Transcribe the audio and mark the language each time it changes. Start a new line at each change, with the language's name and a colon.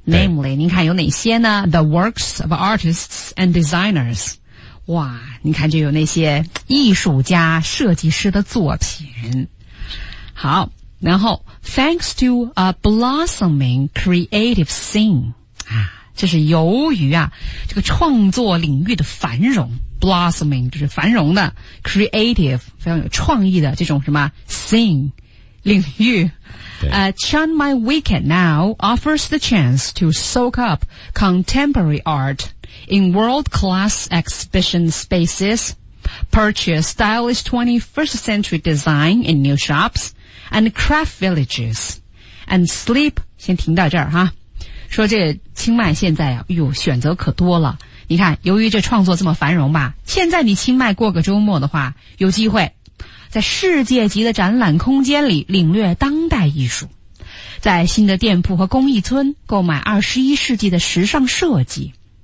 English: Namely,
Chinese: 您看有哪些呢
English: ?The works of artists and designers.
Chinese: 哇，你看就有那些艺术家设计师的作品。好，然后
English: thanks to a blossoming creative scene
Chinese: 啊，这是由于啊这个创作领域的繁荣， blossoming 就是繁荣的 creative 非常有创意的这种什么 scene 领域。
English: Chiang Mai Weekend now offers the chance to soak up contemporary artIn world-class exhibition spaces, purchase stylish 21st century design in new shops and craft villages, and sleep.
Chinese: 先停到这儿哈，说这清迈现在啊，有选择可多了。你看，由于这创作这么繁荣吧，现在你清迈过个周末的话，有机会在世界级的展览空间里领略当代艺术，在新的店铺和工艺村购买21世纪的时尚设计。